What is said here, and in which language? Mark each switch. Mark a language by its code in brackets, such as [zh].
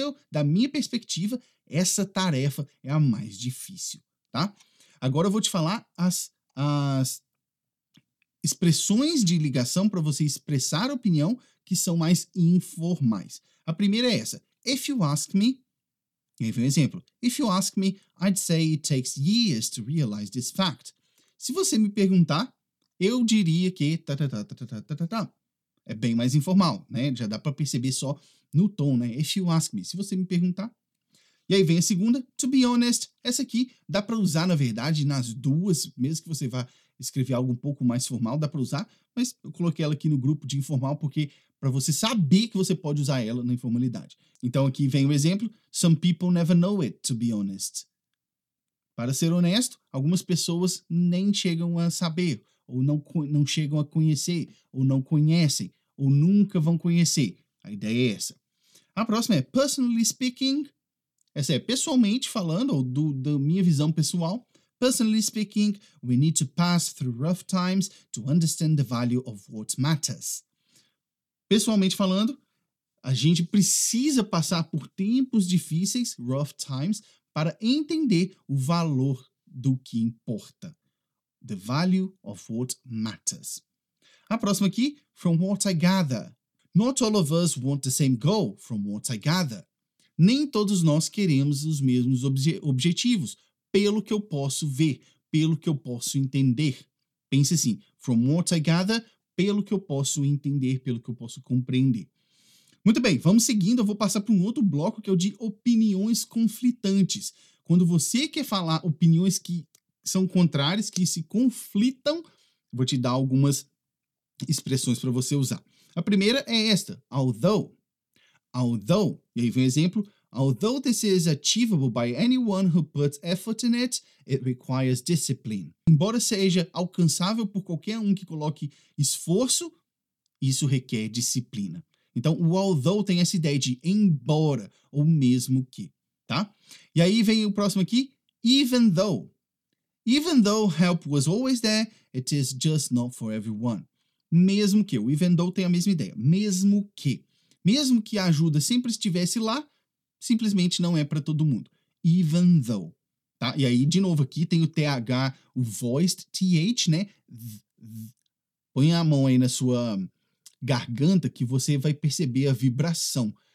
[pt] Da minha perspectiva, essa tarefa é a mais difícil, tá? Agora eu vou te falar as expressões de ligação para você expressar opinião que são mais informais. A primeira é essa. [en] If you ask me, [pt] aí vem um exemplo. [en] If you ask me, I'd say it takes years to realize this fact. [pt] Se você me perguntar, eu diria que... Ta, ta, ta, ta, ta, ta, ta, ta. É bem mais informal, né? Já dá para perceber só no tom, né? [en] If you ask me, [pt] se você me perguntar. E aí vem a segunda, [en] to be honest, [pt] essa aqui dá para usar, na verdade, nas duas, mesmo que você vá escrever algo um pouco mais formal, dá para usar, mas eu coloquei ela aqui no grupo de informal porque para você saber que você pode usar ela na informalidade. Então aqui vem o exemplo: [en] some people never know it, to be honest. [pt] Para ser honesto, algumas pessoas nem chegam a saber, ou não chegam a conhecer, ou não conhecem, ou nunca vão conhecer. A ideia é essa. A próxima é [en] personally speaking. [pt] Essa é pessoalmente falando, ou da minha visão pessoal. [en] Personally speaking, we need to pass through rough times to understand the value of what matters. [pt] Pessoalmente falando, a gente precisa passar por tempos difíceis, [en] rough times, [pt] para entender o valor do que importa. [en] The value of what matters. [pt] A próxima aqui, [en] from what I gather. Not all of us want the same goal, from what I gather. [pt] Nem todos nós queremos os mesmos objetivos, pelo que eu posso ver, pelo que eu posso entender. Pense assim, [en] from what I gather, [pt] pelo que eu posso entender, pelo que eu posso compreender. Muito bem, vamos seguindo, eu vou passar para um outro bloco que é o de opiniões conflitantes. Quando você quer falar opiniões que são contrárias, que se conflitam, vou te dar algumas expressões para você usar. A primeira é esta, [en] although, [pt] e aí vem um exemplo, [en] although this is achievable by anyone who puts effort in it, it requires discipline. [pt] Embora seja alcançável por qualquer um que coloque esforço, isso requer disciplina. Então, o although tem essa ideia de embora, ou mesmo que, tá? E aí vem o próximo aqui, even though. [en] Even though help was always there, it is just not for everyone. [pt] Mesmo que, o even though tem a mesma ideia, mesmo que. Mesmo que a ajuda sempre estivesse lá, simplesmente não é para todo mundo. Even though, tá? E aí, de novo aqui, tem o TH, o voiced TH, né? Põe a mão aí na sua garganta que você vai perceber a vibração.